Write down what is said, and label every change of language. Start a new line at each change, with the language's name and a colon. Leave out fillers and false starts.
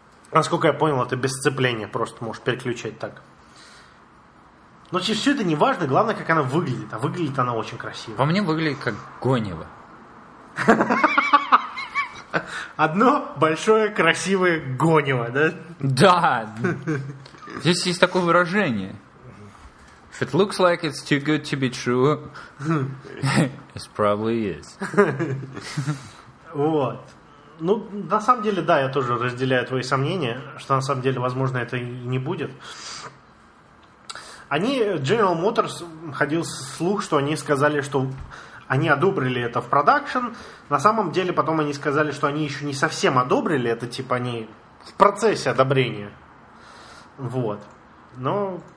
Russian: Насколько я понял, это без сцепления, просто можешь переключать так. Но все это не важно, главное, как она выглядит. А выглядит она очень красиво. По мне выглядит как Гонева. Одно большое красивое Гонева, да? Да. Здесь есть такое выражение.
English: If it looks like it's too good to be true, it probably is.
Russian: Вот. Ну, на самом деле, да, я тоже разделяю твои сомнения, что на самом деле, возможно, это и не будет. Они, General Motors, ходил слух, что они сказали, что они одобрили это в продакшн. На самом деле, потом они сказали, что они еще не совсем одобрили это, типа они в процессе одобрения. Вот. Но...